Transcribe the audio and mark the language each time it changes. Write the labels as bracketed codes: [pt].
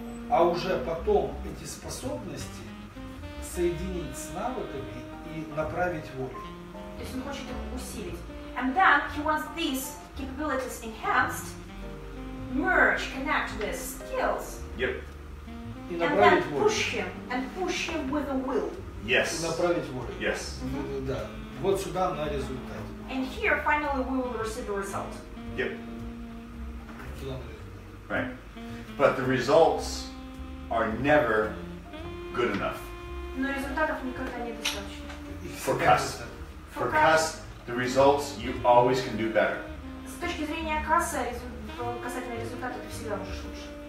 [ru] А уже потом эти способности соединить с навыками и направить волю. То есть он хочет их усилить. [en] And then he wants these capabilities enhanced, merge, connect these skills. Yep. [ru] И направить волю. [en] And then push him and push him with a will. Yes. [ru] И направить волю. [en] Yes. [ru] Mm-hmm. Да. Вот сюда на результат. [en] And here finally we will receive the result. Yep. [ru] Сюда. [en] Right. But the results are never good enough. [ru] Но результатов никогда недостаточно. [en] For Cus. For Cus, the results you always can do better. [ru] С точки зрения Каса, касательно результата, ты всегда можешь лучше.